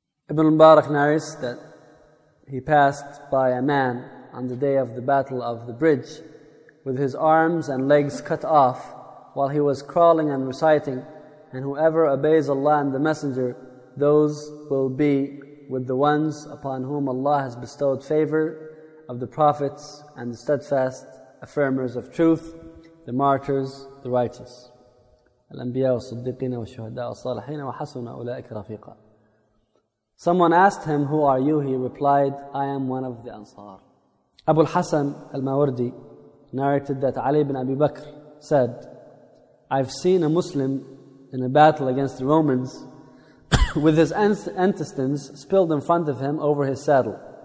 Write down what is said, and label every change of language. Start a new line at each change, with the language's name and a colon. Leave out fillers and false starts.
English: Ibn al-Mubarak narrates that he passed by a man on the day of the battle of the bridge with his arms and legs cut off while he was crawling and reciting, and whoever obeys Allah and the Messenger, those will be with the ones upon whom Allah has bestowed favor of the prophets and the steadfast affirmers of truth, the martyrs, the righteous.
Arabic: الأنبياء والصديقين والشهداء والصالحين وحسن أولئك رفيقا.
English: Someone asked him, who are you? He replied, I am one of the Ansar. Abu al-Hasan al-Mawardi narrated that Ali ibn Abi Bakr said, I've seen a Muslim in a battle against the Romans with his intestines spilled in front of him over his saddle.